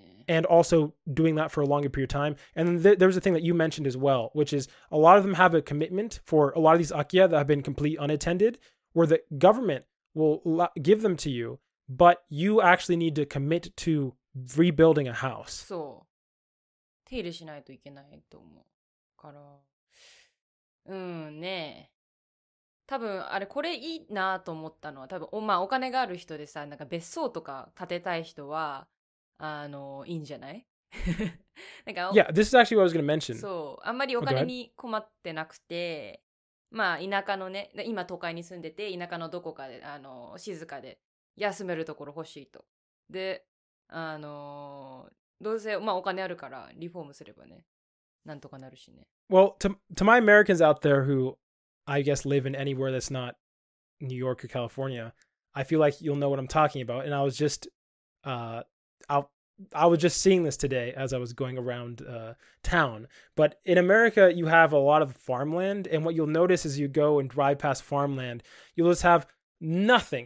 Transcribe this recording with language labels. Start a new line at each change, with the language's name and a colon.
English: And also doing that for a longer period of time. And there was a thing that you mentioned as well, which is a lot of them have a commitment for a lot of these akiya that have been completely unattended, where the government will give them to you, but you actually need to commit to rebuilding a house.
Japanese: So, 手入れしないといけないと思うから、うんね。多分あれこれいいなと思ったのは、多分お金がある人でさ、なんか別荘とか建てたい人は、あのいいんじゃない？
English: なんか、Yeah, this is actually what I was going to mention.
Japanese: そう、あんまりお金に困ってなくて、まあ田舎のね、今都会に住んでて田舎のどこかで静かで休めるところ欲しいと。で、どうせまあお金あるからリフォームすればね、なんとかなるしね。
English: Well, to my Americans out there who I guess live in anywhere that's not New York or California, I feel like you'll know what I'm talking about. And I was just seeing this today as I was going around town. But in America, you have a lot of farmland. And what you'll notice as you go and drive past farmland, you'll just have nothing.